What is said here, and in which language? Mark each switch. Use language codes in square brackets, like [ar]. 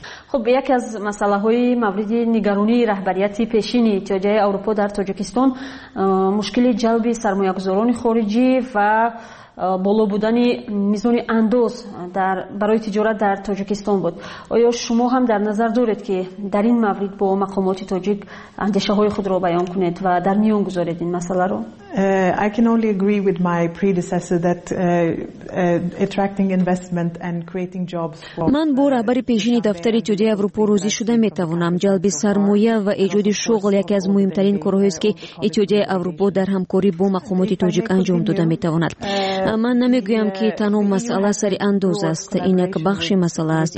[fa] خب یک از مسئله های مورد نگرانی رهبریت پیشین اتحادیه اروپا در تاجیکستان مشکل جلب سرمایه گذاران خارجی و بالا بودن میزان اندوز در برای تجارت در تاجیکستان بود. آیا شما هم در نظر دارید که در این مورد با مقامات تاجیک اندیشه های خود را بیان کنید و در میان گذارید این مسئله را؟ [en] I can only agree with my predecessor that attracting investment and creating jobs for [fa] من با رهبر پیشین دفتر اتحادیه اروپا روزی شده میتوانم. جلب سرمایه و ایجاد شغل یکی از مهمترین کارهایی است که اتحادیه اروپا در همکاری با مقامات تاجیک انجام داده میتواند. من نمیگویم که تنها مسئله سر اندوز است، این یک بخش مسئله است.